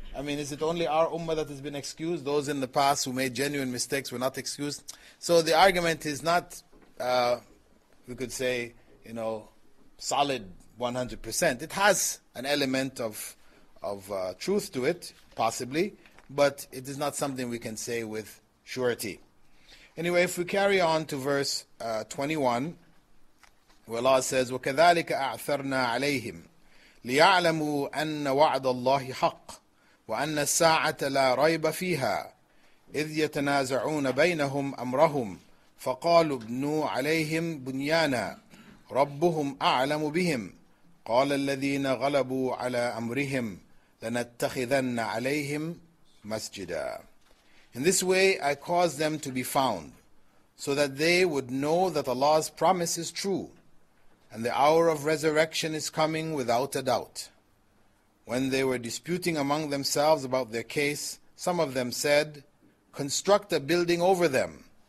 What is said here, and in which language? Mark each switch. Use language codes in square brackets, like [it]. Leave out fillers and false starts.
[en] I mean, is it only our ummah that has been excused? Those in the past who made genuine mistakes were not excused. So the argument is not, we could say, solid 100%. It has an element of truth to it, possibly, but it is not something we can say with surety. Anyway, if we carry on to verse 21, where Allah says, [ar] وَكَذَلِكَ أَعْثَرْنَا عَلَيْهِمْ لِيَعْلَمُوا أَنَّ وَعْدَ اللَّهِ حَقٌّ وَأَنَّ السَّاعَةَ لَا رَيْبَ فِيهَا إِذْ يَتَنَازَعُونَ بَيْنَهُمْ أَمْرَهُمْ فَقَالُوا ابْنُوا عَلَيْهِمْ بُنْيَانًا رَبُّهُمْ أَعْلَمُ بِهِمْ قَالَ الَّذِينَ غَلَبُوا عَلَىٰ أَمْرِهِمْ لَنَتَّخِذَنَّ عَلَيْهِمْ مَسْجِدًا. [en] In this way I caused them to be found, so that they would know that Allah's promise is true, and the hour of resurrection is coming without a doubt. When they were disputing among themselves about their case, some of them said, construct a building over them.